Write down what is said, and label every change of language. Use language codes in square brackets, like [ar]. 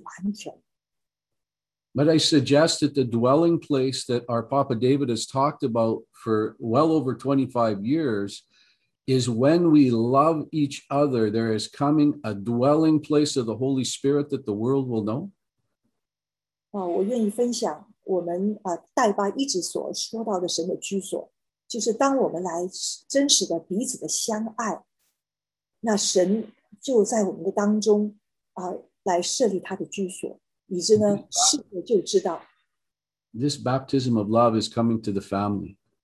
[zh] 我们就当彼此的相爱，然后他的爱就在我们当中得以完全。 [en] But I suggest that the dwelling place that our Papa David has talked about for well over 25 years is when we love each other, there is coming a dwelling place of the Holy Spirit that the world will know. [zh] 我愿意分享我们代巴一直所说到的神的居所。就是当我们来真实的彼此的相爱，那神就在我们的当中来设立他的居所，以致呢，世界就知道。 [en] This baptism of love is coming to the family.